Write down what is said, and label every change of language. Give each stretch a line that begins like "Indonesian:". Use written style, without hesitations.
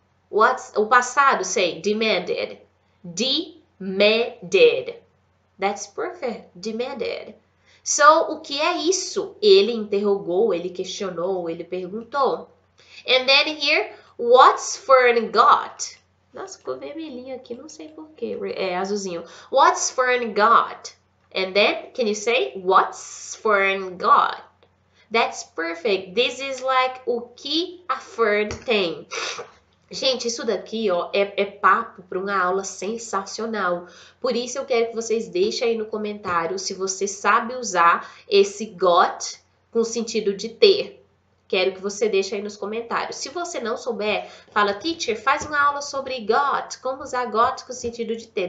English: What's,
Portuguese: o passado,
English: say, demanded. Demanded. That's perfect. Demanded.
Portuguese: So, o que é isso? Ele interrogou, ele questionou, ele perguntou.
English: And then here, what's Fern got?
Portuguese: Nossa, ficou vermelhinho aqui, não sei por quê. É azulzinho.
English: What's Fern got? And then, can you say, what's Fern got? That's perfect. This is like
Portuguese: o que a Fern tem. Gente, isso daqui, ó, é papo para uma aula sensacional. Por isso eu quero que vocês deixem aí no comentário se você sabe usar esse got com sentido de ter. Quero que você deixe aí nos comentários. Se você não souber, fala, teacher, faz uma aula sobre got, como usar got com sentido de ter.